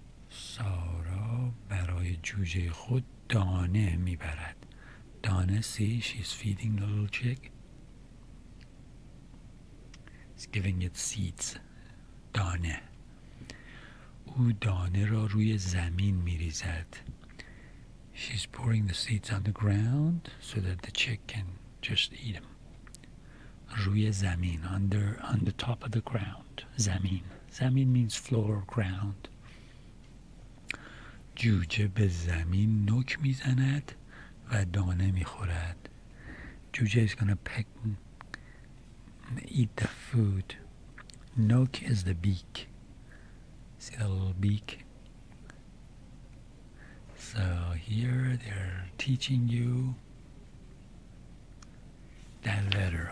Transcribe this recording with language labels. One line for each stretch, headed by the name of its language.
Persian: سارا برای جوجه خود دانه میبرد. دانه سی
English: she's feeding the little chick. She's giving it seeds.
Persian: دانه. او دانه را روی زمین میریزد.
English: She's pouring the seeds on the ground so that the chick can just eat them.
Persian: روی زمین
English: under on the top of the ground. زمین. زمین means floor, ground.
Persian: جوجه به زمین نوک میزند و دانه میخورد.
English: جوجه is gonna peck and eat the food. Nook is the beak. See the little beak? So here they're teaching you that letter.